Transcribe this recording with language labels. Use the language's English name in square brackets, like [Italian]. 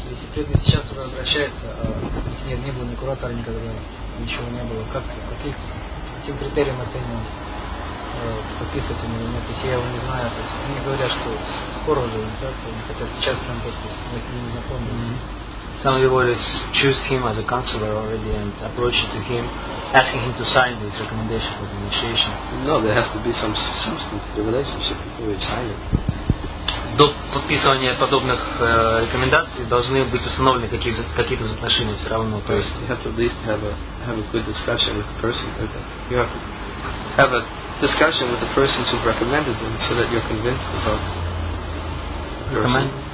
[Russian] Если преданный сейчас уже возвращается, не было ни куратора никогда, ничего не было, каким критерием оценивать, подписывать или нет, если я его не знаю, то есть они говорят, что скоро уже, да, хотя сейчас там подпись, мы с ним не знакомы. [English] Some of the lawyers choose him as a counselor already and approach to him, asking him to sign this recommendation for the initiation. No, there has to be some substance, the relationship before you sign it. [Russian] До подписывания подобных рекомендаций должны быть установлены какие-то отношения все равно. То есть [English] you have to at least have a good discussion with the person. You have to have a discussion with the persons who've recommended them so that you're convinced about the person.